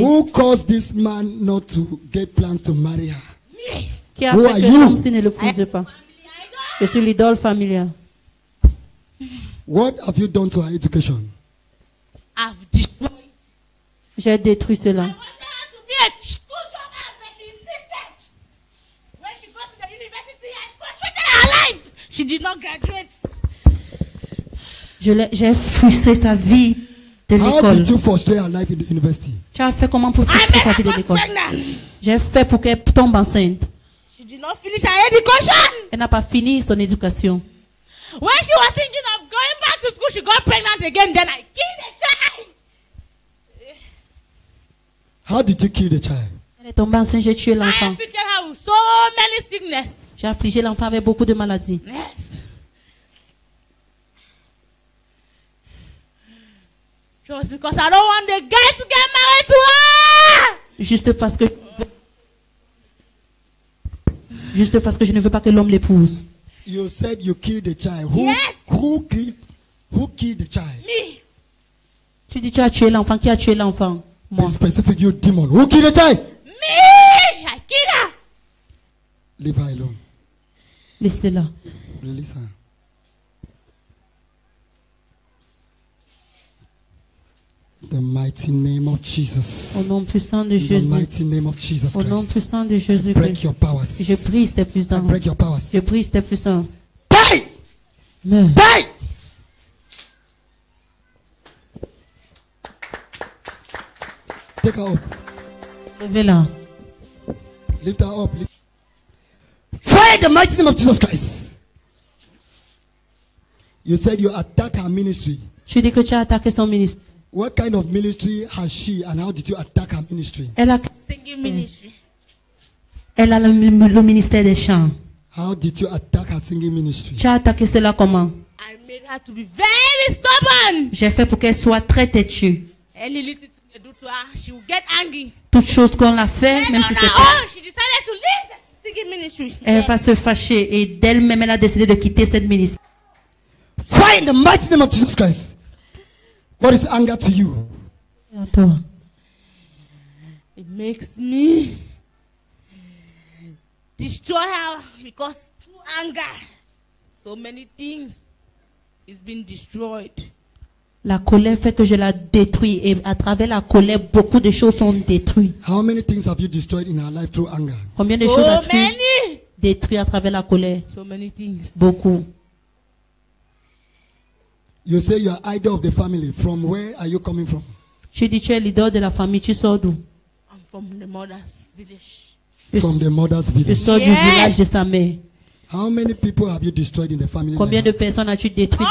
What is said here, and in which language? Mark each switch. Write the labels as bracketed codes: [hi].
[en] Who caused this man not to get plans to marry her? [fr] Qui a fait que l'homme s'il ne l'épouse pas? Je suis l'idole familiale. [en] What have you done to her education? I've destroyed. [fr] J'ai détruit cela. [en] I wanted her to be a school dropout, but she insisted. When she got to the university, I frustrated her life. She did not graduate. [fr] J'ai frustré sa vie de l'école. [en] How did you frustrate her life in the university? [fr] Tu as fait comment pour frustrer sa vie de l'école? J'ai fait pour qu'elle tombe enceinte. [en] Finish her education. [fr] Elle n'a pas fini son éducation. [en] When she was thinking of going back to school, she got pregnant again. Then I killed the child. How did you kill the child? [fr] Elle est tombée enceinte, j'ai tué l'enfant. [en] I afflicted her with so many sickness. [fr] J'ai affligé l'enfant avec beaucoup de maladies. [en] Yes. Just because I don't want the guy to get married to her. [fr] Juste parce que juste parce que je ne veux pas que l'homme l'épouse. [en] You said you killed the child. Who, yes. Who killed the child? Me. [fr] Tu dis tu as tué l'enfant. Qui a tué l'enfant? Moi. [en] Be specific, you demon. Who killed the child? Me. I killed her. Leave her alone. [fr] Laissez-la. [en] Listen. The mighty name of Jesus. [fr] Au nom puissant de Jésus. [en] The mighty name of Jesus Christ. [fr] Au nom puissant de Jésus. [en] I break your powers. [fr] Je brise tes puissances. [en] I break your powers. [fr] Je brise tes puissances. [en] Die! [fr] Meurs. [en] Die! Take her up. [fr] Levez-la. [en] Lift her up. Fire the mighty name of Jesus Christ. You said you attacked her ministry. [fr] Tu dis que tu as attaqué son ministre. [en] What kind of ministry has she and how did you attack her ministry? [fr] Elle a [en] singing ministry. [fr] Elle a le ministère des chants. [en] How did you attack her singing ministry? [fr] Tu as attaqué cela comment? [en] I made her to be very stubborn. [fr] J'ai fait pour qu'elle soit très têtue. [en] Any little thing you do to her, she will get angry. [fr] Toute chose qu'on l'a fait, [en] then [fr] même si c'est. [en] Oh, she decided to leave the singing ministry. [fr] Elle va se fâcher et d'elle-même elle a décidé de quitter cette ministre. [en] Find the mighty name of Jesus Christ. What is anger to you? It makes me destroy her because through anger, so many things is been destroyed. [fr] La colère fait que je la détruis et à travers la colère, beaucoup de choses sont détruites. [en] How many things have you destroyed in our life through anger? [fr] Combien de choses as-tu détruit à travers la colère? [en] So many things. [fr] Beaucoup. [en] You say you are idol of the family. From where are you coming from? [fr] Tu dis tu es leader de la famille. Tu sors d'où? [en] I'm from the mother's village. From the mother's village. [fr] Tu sors du village de sa mère. How many people have you destroyed in the family? Combien de personnes as-tu détruit dans